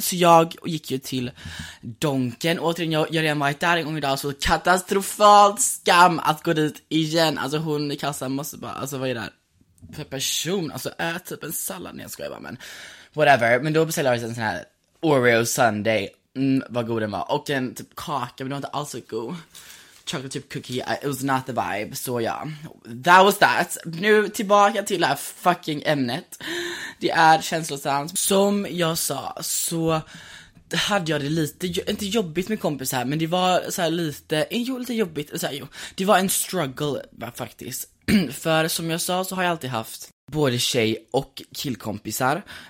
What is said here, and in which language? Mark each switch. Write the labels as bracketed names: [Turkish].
[Swedish] Så jag gick ju till Donken. Återigen, jag har redan varit där en gång idag. Så katastrofalt skam att gå dit igen. Alltså hon i kassan måste bara, alltså vad är det där för person? Alltså ät typ en sallad, när jag skojar bara, men whatever. Men då beställde jag en sån här Oreo Sunday. Vad god den var. Och en typ kaka, men den var inte alls så god. [English] Chocolate chip cookie, it was not the vibe. [Swedish] Så ja, [English] that was that. [Swedish] Nu tillbaka till det här fucking ämnet. Det är känslosamt. Som jag sa, så hade jag det lite, inte jobbigt med kompis här, men det var så här lite, jo, lite jobbigt så här, jo. Det var en struggle faktiskt. För som jag sa, så har jag alltid haft både tjej- och killkompisar.